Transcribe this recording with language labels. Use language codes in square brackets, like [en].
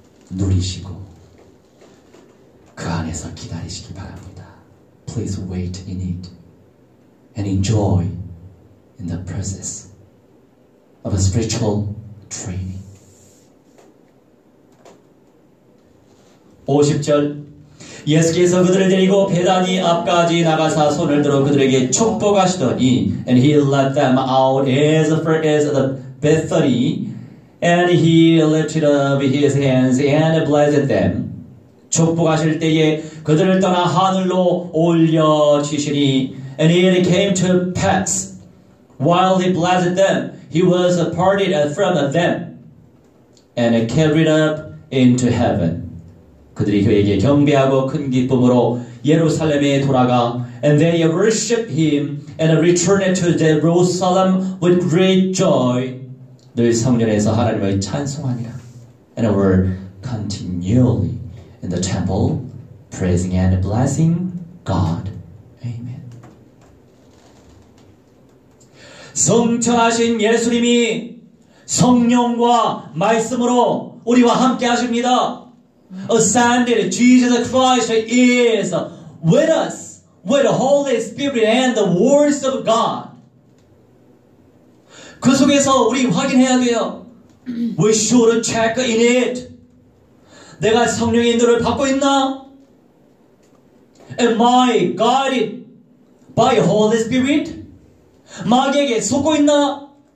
[ko] 누리시고 그 안에서 기다리시기 바랍니다. [en] Please wait in it and enjoy in the process of a spiritual training. [ko] 50절 예수께서 그들을 데리고 베다니 앞까지 나가사 손을 들어 그들에게 축복하시더니 [en] And he let them out as far as the Bethany And he lifted up his hands and blessed them. [ko] 축복하실 때에 그들을 떠나 하늘로 올려치시니 [en] And it came to pass while he blessed them, he was parted from them and carried up into heaven. [ko] 그들이 그에게 경배하고 큰 기쁨으로 예루살렘에 돌아가 [en] And they worshipped him and returned to Jerusalem with great joy. [ko] 늘 성전에서 하나님을 찬송하니라 [en] And were continually in the temple praising and blessing God. Amen. [ko] 승천하신 예수님이 성령과 말씀으로 우리와 함께 하십니다. [en] Ascended Jesus Christ is with us with the Holy Spirit and the words of God. [ko] 그 속에서 우리 확인해야 돼요. [en] We should check in it. [ko] 내가 성령의 인도를 받고 있나? [en] Am I guided by Holy Spirit? [ko] 마귀에게 속고 있나?